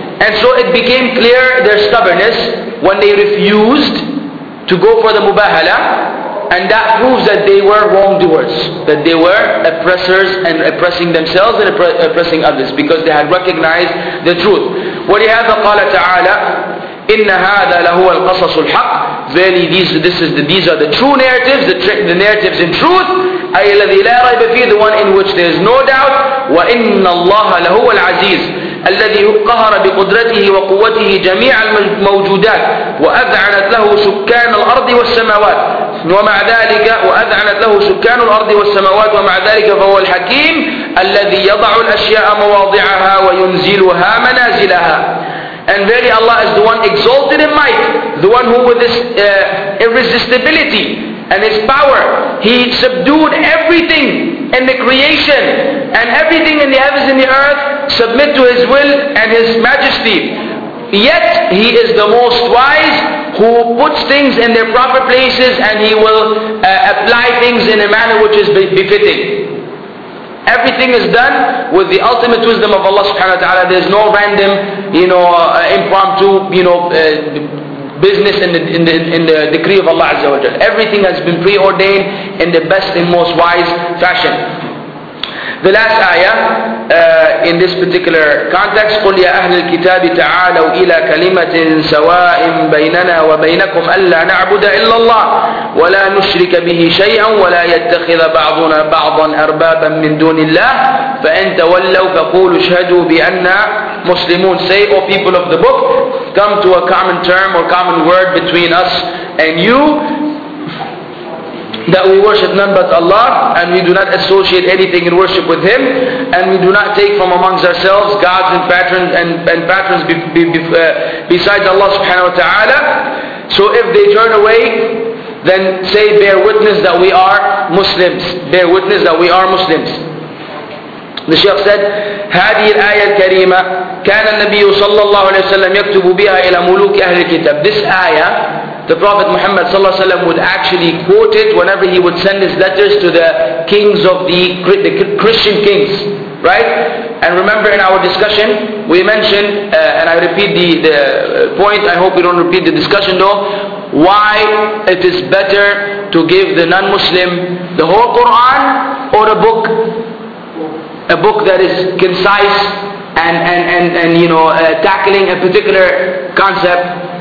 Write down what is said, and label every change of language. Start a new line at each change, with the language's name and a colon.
English: And so it became clear their stubbornness when they refused to go for the mubahala, and that proves that they were wrongdoers, that they were oppressors and oppressing themselves and oppressing others because they had recognized the truth.
Arabic: ولهذا قال تعالى إن هذا لهو القصص الحق.
English: Verily these are the true narratives, the narratives in truth.
Arabic: أي الذي لا ريب فيه,
English: the one in which there is no doubt.
Arabic: وإن الله لهو العزيز الذي قهر بقدرته وقوته جميع الموجودات وأذعنت له سكان الأرض والسماوات ومع ذلك وأذعنت له سكان الأرض والسماوات ومع ذلك فهو الحكيم الذي يضع الأشياء مواضعها وينزلها منازلها.
English: And verily Allah is the one exalted in might, the one who with this irresistibility and his power, he subdued everything in the creation and everything in the heavens and the earth submit to his will and his majesty. Yet he is the most wise who puts things in their proper places and he will apply things in a manner which is befitting. Everything is done with the ultimate wisdom of Allah subhanahu wa ta'ala. There's no random, you know, impromptu, you know, business in the decree of Allah Azza wa Jalla. Everything has been preordained in the best and most wise fashion. The last ayah in this particular context,
Arabic: قُلْ يَا أَهْلِ الْكِتَابِ تَعَالَوْا إِلَىٰ كَلِمَةٍ سَوَاءٍ بَيْنَنَا وَبَيْنَكُمْ أَلَّا نَعْبُدَ إِلَّا اللَّهِ وَلَا نُشْرِكَ بِهِ شَيْئًا وَلَا يَتَّخِذَ بَعْضُنَا بَعْضًا أَرْبَابًا مِّن دُونِ اللَّهِ فَإِن تَوَلَّوْا فَقُولُوا اشْهَدُوا بِأَنَّا مُسْلِمُونَ.
English: Say, O people of the book, come to a common term or common word between us and you, that we worship none but Allah and we do not associate anything in worship with Him and we do not take from amongst ourselves gods and patrons and patrons besides Allah subhanahu wa ta'ala. So if they turn away, then say, bear witness that we are Muslims. Bear witness that we are Muslims. The Shaykh said,
Arabic: هذه الآية الكريمة كان النبي صلى الله عليه وسلم يكتب بها إلى ملوك أهل الكتاب.
English: This ayah, the Prophet Muhammad sallallahu alaihi wasallam would actually quote it whenever he would send his letters to the kings of the Christian kings, right? And remember, in our discussion, we mentioned, and I repeat the point. I hope we don't repeat the discussion though. Why it is better to give the non-Muslim the whole Quran or a book that is concise and you know tackling a particular concept?